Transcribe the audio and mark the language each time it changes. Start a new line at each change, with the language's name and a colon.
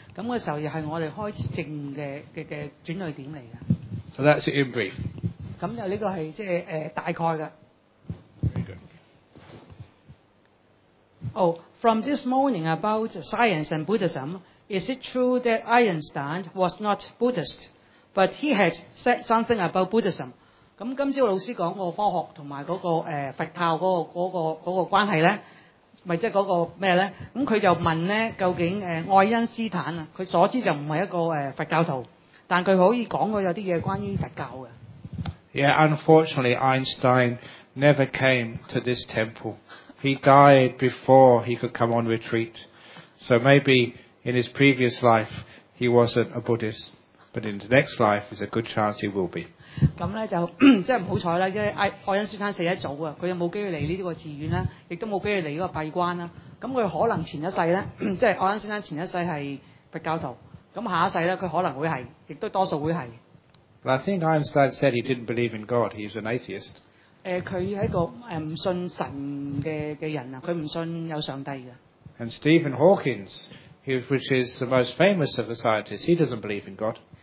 Cantonese: 咁嘅時候又係我哋開始正嘅轉捩點嚟嘅。
English: So that's it in brief。
Cantonese: 咁就呢個係即係大概嘅。
English: Oh, from this morning about science and Buddhism, is it true that Einstein was not Buddhist, but he had said something about Buddhism？
Cantonese: 咁今朝老師講個科學同埋嗰個佛教嗰個關係咧？咪即係嗰個咩咧？咁佢就問咧，究竟愛因斯坦啊，佢所知就唔係一個佛教徒，但佢可以講過有啲嘢關於佛教嘅。
English: Yeah, unfortunately, Einstein never came to this temple. He died before he could come on retreat. So maybe in his previous life he wasn't a Buddhist, but in the next life, there's a good chance he will be.
Cantonese: 咁咧就即係唔好彩啦，因為愛因斯坦死得早啊，佢又冇機會嚟呢個寺院啦，亦都冇機會嚟呢個閉關啦。咁佢可能前一世咧，即係愛因斯坦前一世係佛教徒，咁下一世咧佢可能會係，亦都多數會係。
English: I think Einstein said he didn't believe in God. He was an atheist.
Cantonese: 佢係一個唔信神嘅人啊，佢唔信有上帝嘅。
English: And Stephen Hawking, which is the most famous of the scientists, he doesn't believe in God.